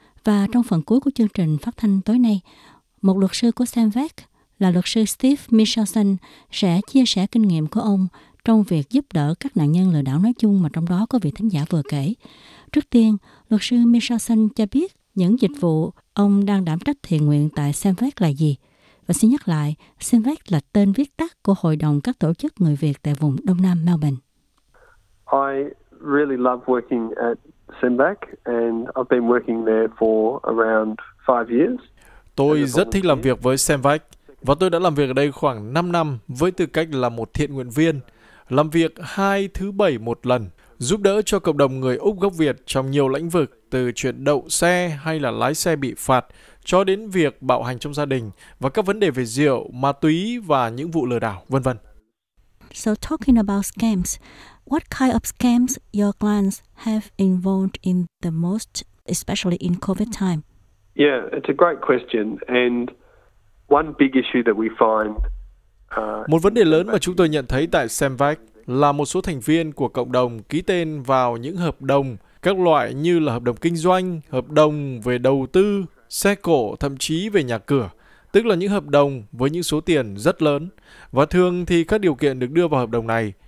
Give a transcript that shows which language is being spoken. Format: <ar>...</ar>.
<vi>Và trong phần cuối của chương trình phát thanh tối nay, một luật sư của Xem Vác là luật sư Steve Michelson sẽ chia sẻ kinh nghiệm của ông trong việc giúp đỡ các nạn nhân lừa đảo nói chung mà trong đó có vị thính giả vừa kể. Trước tiên, luật sư Michelson cho biết những dịch vụ ông đang đảm trách thiện nguyện tại Xem Vác là gì. Và xin nhắc lại, Xem Vác là tên viết tắt của Hội đồng các tổ chức người Việt tại vùng Đông Nam Melbourne.</vi> <en>I really love working at Xem Vác and I've been working there for around 5 years.</en> <vi>Tôi rất thích làm việc với Xem Vác và tôi đã làm việc ở đây khoảng 5 năm với tư cách là một thiện nguyện viên, làm việc 2 thứ 7 một lần, giúp đỡ cho cộng đồng người Úc gốc Việt trong nhiều lĩnh vực, từ chuyện đậu xe hay là lái xe bị phạt, cho đến việc bạo hành trong gia đình và các vấn đề về rượu, ma túy và những vụ lừa đảo, vân vân.</vi> <en>So talking about scams, what kind of scams your clients have involved in the most, especially in COVID time? Yeah, it's a great question and one big issue that we find.</en> <vi>Một vấn đề lớn mà chúng tôi nhận thấy tại Xem Vác là một số thành viên của cộng đồng ký tên vào những hợp đồng các loại như là hợp đồng kinh doanh, hợp đồng về đầu tư, xe cổ, thậm chí về nhà cửa, tức là những hợp đồng với những số tiền rất lớn và thường thì các điều kiện được đưa vào hợp đồng này.</vi>